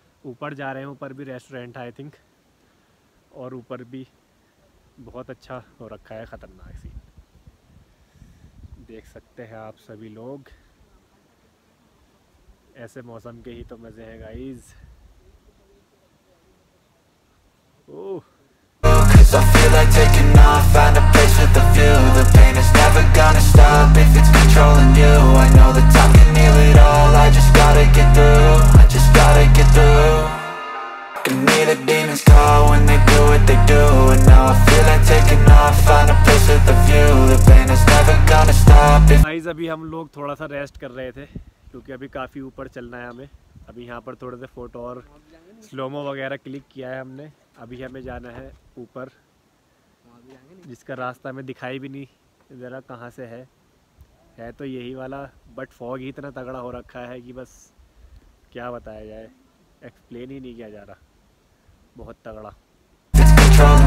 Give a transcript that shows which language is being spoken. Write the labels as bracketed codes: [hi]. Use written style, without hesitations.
[hi] ऊपर जा रहे हैं, ऊपर भी रेस्टोरेंट है आई थिंक, और ऊपर भी बहुत अच्छा हो रखा है, ख़तरनाक सीन देख सकते हैं आप सभी लोग। ऐसे मौसम के ही तो मज़े हैं guys. [en] Oh, I feel like taking off, find a place with a view. The pain is never gonna stop if it's controlling you. I know the time can heal it all, I just gotta get through. I just gotta get through. I can hear the demons call when they do what they do. And now I feel like taking off, find a place with a view. The pain is never gonna stop. [hi] Guys, अभी हम लोग थोड़ा सा rest कर रहे थे क्योंकि अभी काफ़ी ऊपर चलना है हमें। अभी यहाँ पर थोड़े से फोटो और स्लोमो वगैरह क्लिक किया है हमने। अभी हमें जाना है ऊपर, जिसका रास्ता हमें दिखाई भी नहीं ज़रा कहाँ से है तो यही वाला, बट फॉग ही इतना तगड़ा हो रखा है कि बस क्या बताया जाए, एक्सप्लेन ही नहीं किया जा रहा, बहुत तगड़ा।